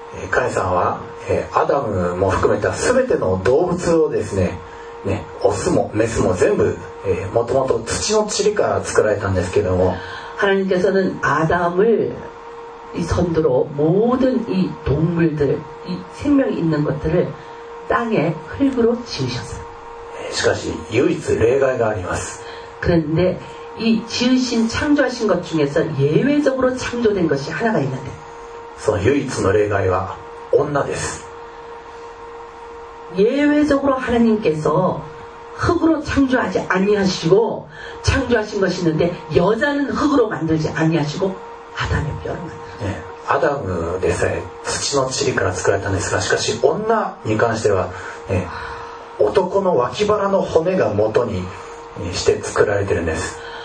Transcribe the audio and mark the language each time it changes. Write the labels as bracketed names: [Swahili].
[Japanese] カエさんはアダムも含めた全ての動物をですね、ね、オスもメスも全部もともと土の塵から作られたんですけども [Korean] 하나님께서는아담을이선두로모든이동물들이생명이있는것들을땅의흙으로지으셨어요 [Japanese] しかし唯一例外があります [Korean] 그런데이지으신창조하신것중에서예외적으로창조된것이하나가있는데 [Japanese] その唯一の例外は女です。 [Korean] 예외적으로하나님께서흙으로창조하지아니하시고창조하신것이있는데여자는흙으로만들지아니하시고아담의뼈로만들었어요 [Japanese] 아담은でさえ土の塵から作られたんですがしかし女に関しては、ね、男の脇腹の骨が元にして作られてるんです